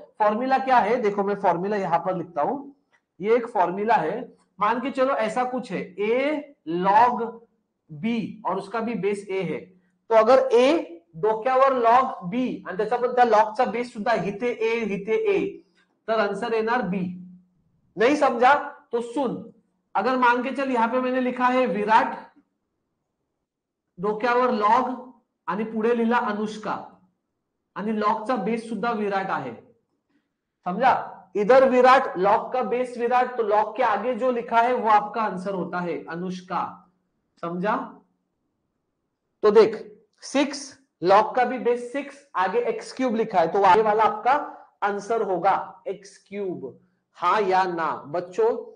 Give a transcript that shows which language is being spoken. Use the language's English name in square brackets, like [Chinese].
[Hindi] Formula क्या है, देखो मैं फॉर्मूला यहां पर लिखता हूं, ये एक फॉर्मूला है, मान के चलो ऐसा कुछ है a log b और उसका भी बेस a है, तो अगर [Marathi] a डोक्यावर log b आणि त्याचा पण त्या log चा बेस सुद्धा इथे a तर आंसर येणार b, [Hindi] नहीं समझा? तो सुन, अगर मान के चल यहां पे मैंने लिखा है [Marathi] विराट डोक्यावर लॉग आणि पुढे लिहिला अनुष्का आणि लॉग चा बेस सुद्धा विराट आहे, समझा? [Hindi] इधर विराट, लॉक का बेस विराट, तो लॉक के आगे जो लिखा है वो आपका आंसर होता है अनुष्का, समझा? तो देख, सिक्स लॉक का भी बेस सिक्स, आगे एक्स क्यूब लिखा है, तो आगे वाला आपका आंसर होगा एक्स क्यूब, हाँ या ना बच्चों?